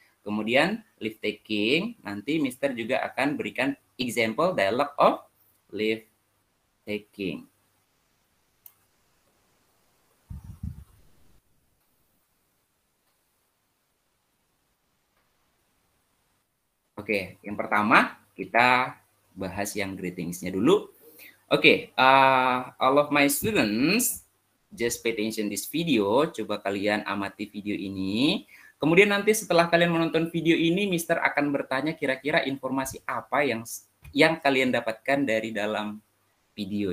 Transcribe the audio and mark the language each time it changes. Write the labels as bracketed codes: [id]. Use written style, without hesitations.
[id] Kemudian leave taking, nanti Mr. juga akan berikan [en] example dialogue of leave taking. [id] Oke, yang pertama kita bahas yang greetings-nya dulu. [en] Oke, all of my students, just pay attention this video. [id] Coba kalian amati video ini. Kemudian nanti setelah kalian menonton video ini, Mister akan bertanya kira-kira informasi apa yang kalian dapatkan dari dalam video.